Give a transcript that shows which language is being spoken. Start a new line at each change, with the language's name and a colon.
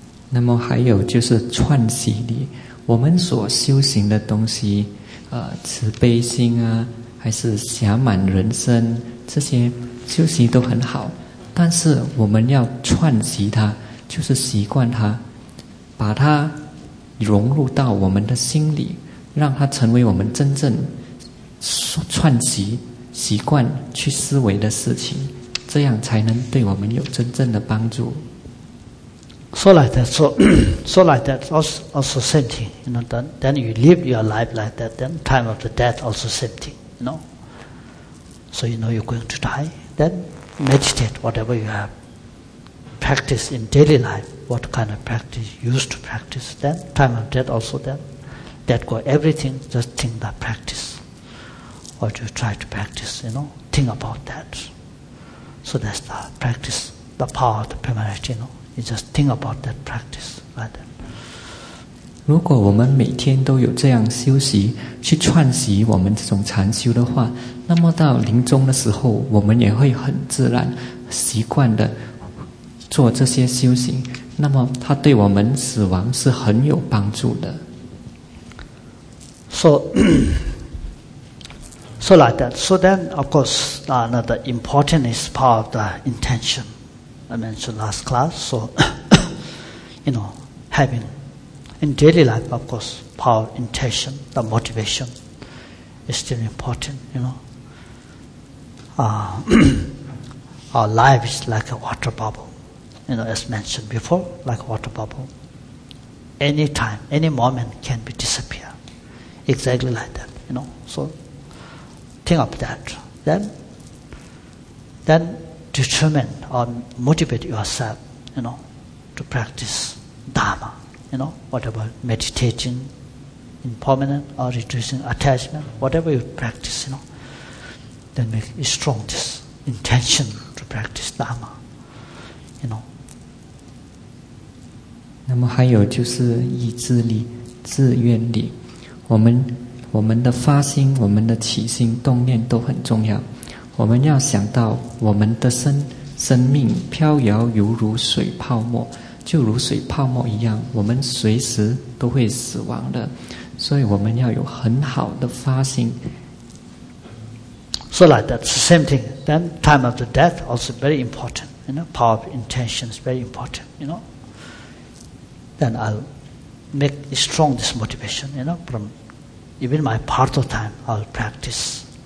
Chinese: 那么还有就是串习力，我们所修行的东西，慈悲心啊，还是暇满人生，这些修行都很好，但是我们要串习它，就是习惯它，把它融入到我们的心里，让它成为我们真正串习习惯去思维的事情，这样才能对我们有真正的帮助。
English: So like that, so like that, also same thing. You know, then you live your life like that. Then time of the death also same thing. You know, so you know you're going to die. Then meditate whatever you have practice in daily life. What kind of practice used to practice then time of death also then that go everything just think that practice or to try to practice you know think about that so that's the practice the power of the permanence you know you just think about that practice like that
Chinese: 如果我们每天都有这样修习去串习我们这种禅修的话那么到临终的时候我们也会很自然习惯的做这些修行那么它对我们死亡是很有帮助的。
English: So like that. So then, of course, another important is part of the intention. I mentioned last class. So, you know, having in daily life, of course, power, intention, the motivation is still important, you know. our life is like a water bubble. You know, as mentioned before, like water bubble. Any time, any moment can be disappear. Exactly like that, you know. So, think of that. Then determine or motivate yourself, you know, to practice Dharma, you know, whatever, meditating, impermanent, or reducing attachment, whatever you practice, you know. Then make strong this intention to practice Dharma, you know.
Chinese: 那么还有就是意志力、自愿力，我们的发心、我们的起心动念都很重要。我们要想到我们的生命飘摇犹如水泡沫，就如水泡沫一样，我们随时都会死亡的，所以我们要有很好的发心。
English: So like that's the same thing. Then time of the death also very important. You know, power of intention is very important. You know. Then I'll make strong this motivation, you know, from even my part of time, I'll practice.